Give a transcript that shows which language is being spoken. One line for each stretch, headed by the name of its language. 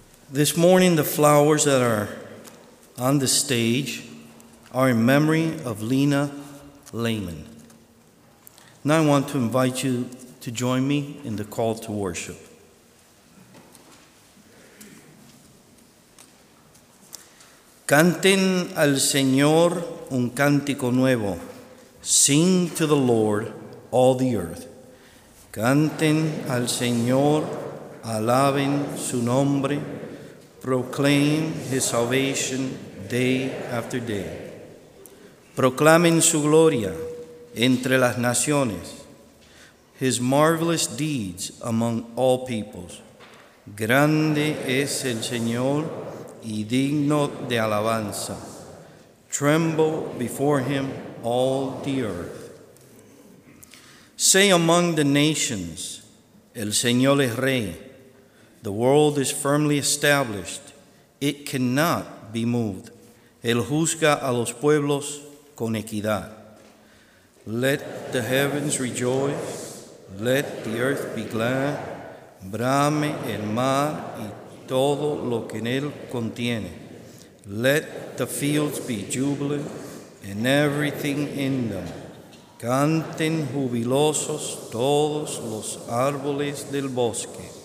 English: This morning, the flowers that are on the stage are in memory of Lena Lehman. Now I want to invite you to join me in the call to worship.
Spanish: Canten al Señor un cántico nuevo.
English: Sing to the Lord, all the earth.
Spanish: Canten al Señor, alaben su nombre,
English: proclaim his salvation day after day.
Spanish: Proclamen su gloria entre las naciones,
English: his marvelous deeds among all peoples.
Spanish: Grande es el Señor y digno de alabanza.
English: Tremble before him all the earth. Say among the nations,
Spanish: El Señor es Rey.
English: The world is firmly established. It cannot be moved.
Spanish: Él juzga a los pueblos con equidad.
English: Let the heavens rejoice. Let the earth be glad.
Spanish: Brame el mar y todo lo que en él contiene.
English: Let the fields be jubilant and everything in them.
Spanish: Canten jubilosos todos los árboles del bosque.